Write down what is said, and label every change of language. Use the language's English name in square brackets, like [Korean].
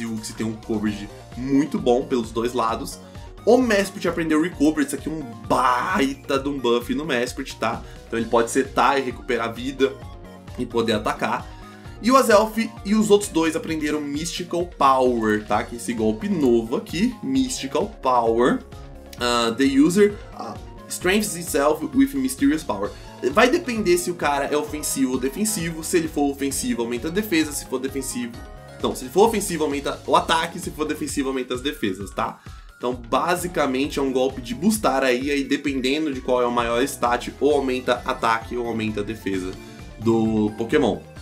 [Portuguese] E o Uxie tem um coverage muito bom pelos dois lados. O Mesprit aprendeu Recover, isso aqui é um baita de um buff no Mesprit, tá? Então ele pode setar e recuperar vida e poder atacar. E o Azelf e os outros dois aprenderam Mystical Power, tá? Que é esse golpe novo aqui, Mystical Power. [English] The user strengthens itself with Mysterious Power. [Portuguese] Vai depender se o cara é ofensivo ou defensivo. Se ele for ofensivo, aumenta a defesa. Se for defensivo... Não, se ele for ofensivo, aumenta o ataque. Se for defensivo, aumenta as defesas, tá? Então, basicamente, é um golpe de boostar aí. Aí, dependendo de qual é o maior stat, ou aumenta ataque ou aumenta a defesa do Pokémon.